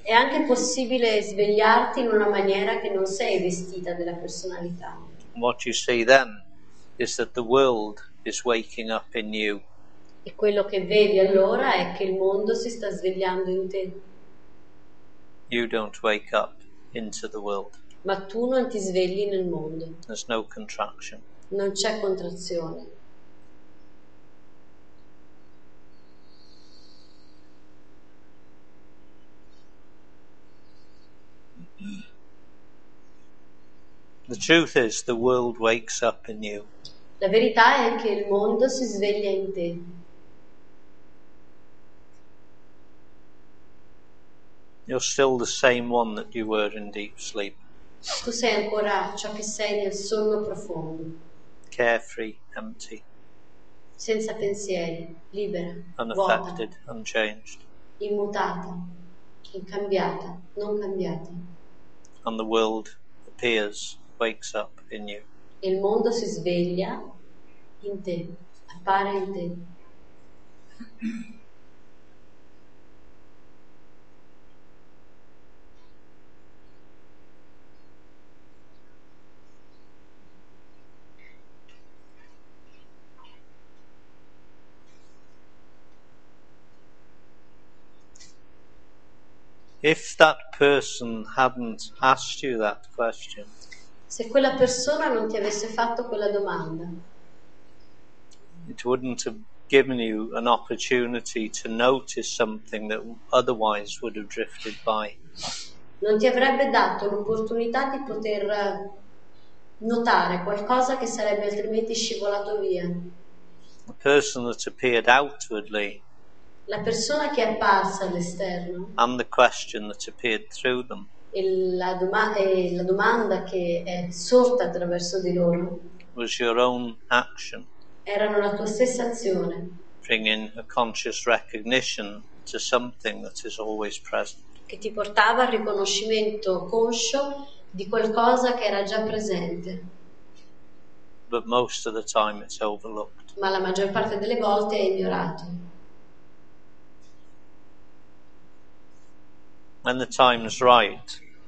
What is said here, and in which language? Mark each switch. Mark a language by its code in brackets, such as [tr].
[it] È anche possibile svegliarti in una maniera che non sei vestita della personalità. [en] What you see then is that the world is waking up in you. [it] E quello che vedi allora è che il mondo si sta svegliando in te. [en] You don't wake up into the world. [it] Ma tu non ti svegli nel mondo. [en] There's no contraction. [it] Non c'è contrazione. [en] The truth is the world wakes up in you. [it] La verità è che il mondo si sveglia in te. [en] You're still the same one that you were in deep sleep. [it] Tu sei ancora ciò che sei nel sonno profondo. [en] Carefree, empty. [it] Senza pensieri, libera, [en] unaffected, [it] vuota. [en] Unchanged. [it] Immutata, incambiata, non cambiata. [en] And the world appears, wakes up in you. [it] Il mondo si sveglia in te, appare in te. [en] If that person hadn't asked you that question, [it] se quella persona non ti avesse fatto quella domanda, [en] it wouldn't have given you an opportunity to notice something that otherwise would have drifted by. [it] Non ti avrebbe dato l'opportunità di poter notare qualcosa che sarebbe altrimenti scivolato via. [en] The person that appeared outwardly. [it] La persona che è apparsa all'esterno. [en] And the question that appeared through them. [it] e la domanda che è sorta attraverso di loro [en] was your own action, [it] erano la tua stessa azione, [en] bringing a conscious recognition to something that is always present, [it] che ti portava al riconoscimento conscio di qualcosa che era già presente. [en] But most of the time it's overlooked. [it] Ma la maggior parte delle volte è ignorato. [en] When the time is right,